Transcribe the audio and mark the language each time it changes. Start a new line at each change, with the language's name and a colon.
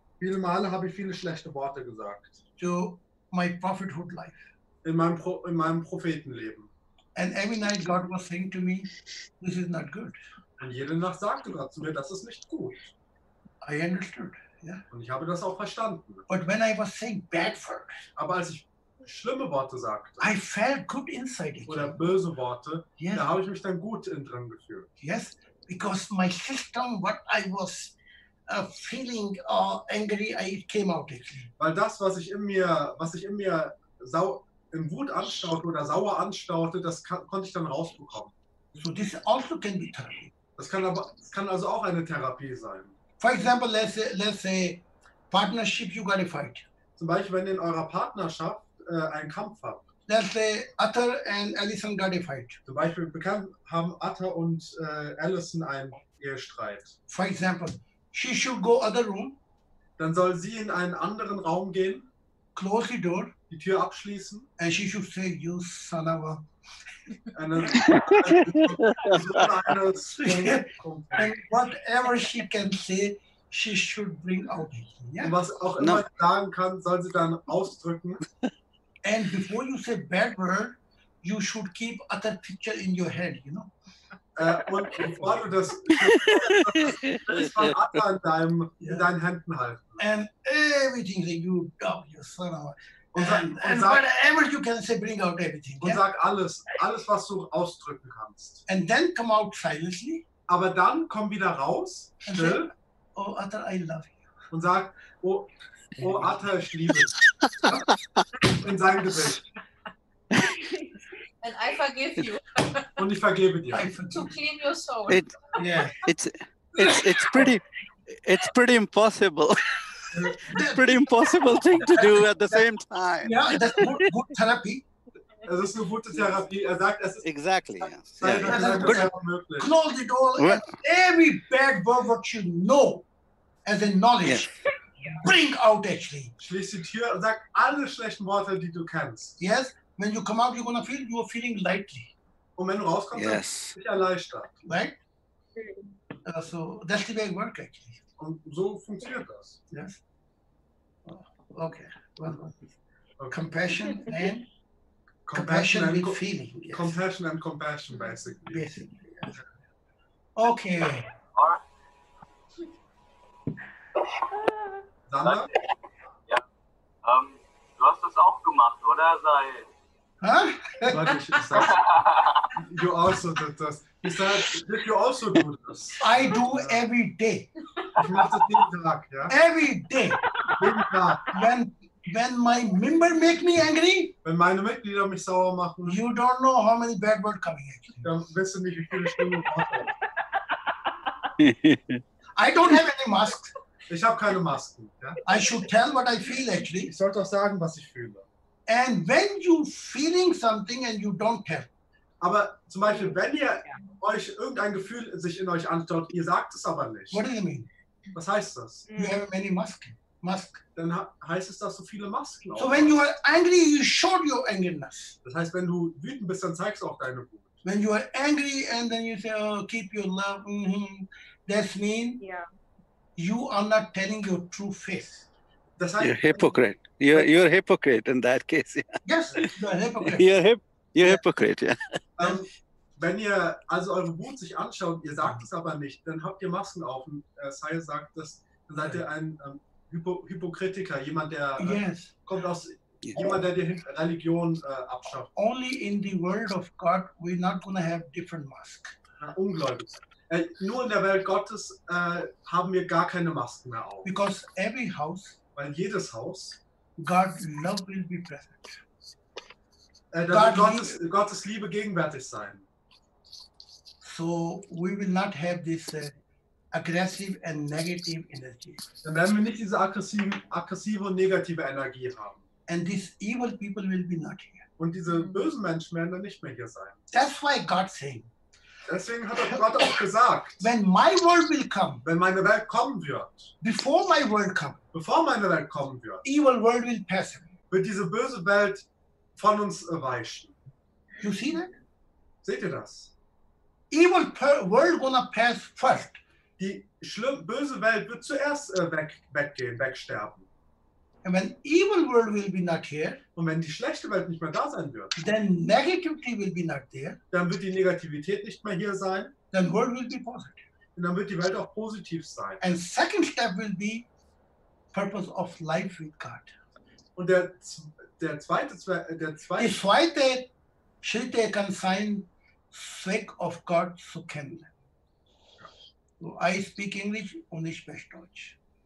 German: Viele Male habe ich viele schlechte Worte gesagt.
English: To my prophethood life.
German: In meinem Prophetenleben.
English: And every night God was saying to me, this is not good.
German: Und jede Nacht sagte Gott zu mir, das ist nicht gut.
English: I understood, yeah.
German: Und ich habe das auch verstanden.
English: But when I was saying bad words,
German: aber als ich schlimme Worte sagte,
English: I felt good inside it.
German: Oder böse Worte, yes. Da habe ich mich dann gut in drin gefühlt.
English: Yes, because my system, what I was feeling angry, it came out.
German: Weil das, was ich in mir in Wut anstaute oder sauer anstaute, das konnte ich dann rausbekommen.
English: So this also can be therapy.
German: Das kann also auch eine Therapie sein.
English: For example, let's say partnership, you gotta fight.
German: Zum Beispiel, wenn ihr in eurer Partnerschaft einen Kampf habt.
English: Let's say Arthur and Alison gotta fight.
German: Zum Beispiel, haben Arthur und Alison einen Ehestreit.
English: For example, she should go other room.
German: Dann soll sie in einen anderen Raum gehen.
English: Close the door.
German: Die Tür abschließen.
English: And she should say, you son of a... And whatever she can say, she should bring out. Yeah?
German: Und was auch immer sie sagen kann, soll sie dann ausdrücken.
English: And before you say bad word, you should keep other picture in your head, you know.
German: Und bevor du das von Atta in deinen Händen halten.
English: And everything that you dub, your son of a. And whatever you can say, bring out everything.
German: Und sag alles, was du ausdrücken kannst.
English: And then come out silently.
German: Aber dann komm wieder raus, still. Say,
English: oh, Arthur, I love you.
German: Und sag, oh Arthur, ich liebe dich. In seinem Gesicht.
English: And I forgive you.
German: Und ich vergebe dir.
English: To clean your soul. It, yeah. It's pretty impossible. It's pretty impossible thing to do at the same time.
German: Ja, das ist gut Therapie. Es ist eine gute Therapie. Er sagt, es ist
English: exactly. Close the door. Every bad word what you know as a knowledge, yes. Bring out actually.
German: Schließ die Tür und sag alle schlechten Worte, die du kennst.
English: Yes, when you come out, you're gonna feel you're feeling lightly.
German: Und wenn du rauskommst, yes. Dann bist du erleichtert.
English: Right? So that's the way it works actually.
German: Und so funktioniert das.
English: Yes. Okay. Compassion and? compassion and feeling. Yes. Compassion and compassion, basically. Basically. Okay. Sanna?
German: Ja. Du hast das auch gemacht, oder? Sei.
English: Huh? You also did this. He said, did you also do this? I do every day.
German: Ich mache das jeden Tag, ja?
English: Every day.
German: Jeden Tag.
English: When my member make me angry,
German: wenn meine Mitglieder mich sauer machen,
English: you don't know how many bad words coming at you.
German: Dann wirst du nicht, wie viele Stimmen du hast.
English: I don't have any masks.
German: Ich habe keine Masken. Ja?
English: I should tell what I feel, actually.
German: Ich sollte auch sagen, was ich fühle.
English: And when you feeling something and you don't care.
German: Aber zum Beispiel, wenn ihr euch irgendein Gefühl sich in euch anstaut, ihr sagt es aber nicht.
English: What do you mean?
German: Was heißt das?
English: You have many masks.
German: Dann heißt es, dass du viele Masken
English: auf. So when you are angry, you show your angerness.
German: Das heißt, wenn du wütend bist, dann zeigst du auch deine Wut.
English: When you are angry and then you say, oh, keep your love, that means you are not telling your true face.
German: Das heißt,
English: you're hypocrite. You're a hypocrite in that case. Yeah. Yes, you're a hypocrite. You're a hypocrite, yeah.
German: Wenn ihr also eure Wut sich anschaut, ihr sagt es aber nicht, dann habt ihr Masken auf. Und Sai sagt, das, dann seid ihr ein Hypokritiker, jemand, der kommt aus, jemand, der die Religion abschafft.
English: Only in the world of God we're not going to have different masks.
German: Ungläubig. Nur in der Welt Gottes haben wir gar keine Masken mehr auf.
English: Because every house,
German: weil jedes Haus,
English: God's love will be present.
German: Gottes Liebe gegenwärtig sein.
English: So we will not have this aggressive and negative energy.
German: Dann werden wir nicht diese aggressive und negative Energie haben.
English: And these evil people will be not here.
German: Und diese bösen Menschen werden dann nicht mehr hier sein.
English: That's why God's saying.
German: Deswegen hat Gott auch gesagt,
English: when my world will come,
German: wenn meine Welt kommen wird,
English: before my world come,
German: bevor meine Welt kommen wird,
English: evil world will pass,
German: wird diese böse Welt von uns weichen.
English: You see that?
German: Seht ihr das?
English: Evil world gonna pass first.
German: Die böse Welt wird zuerst weggehen, wegsterben.
English: And when evil world will be not here,
German: und wenn die schlechte Welt nicht mehr da sein wird,
English: then negativity will be not there,
German: dann wird die Negativität nicht mehr hier sein,
English: then world will be positive.
German: Und dann wird die Welt auch positiv sein.
English: And second step will be purpose of life with God.
German: Und der zweite Schritt kann sein,
English: sake of God
German: zu kennen.
English: So I speak English
German: und ich spreche Deutsch.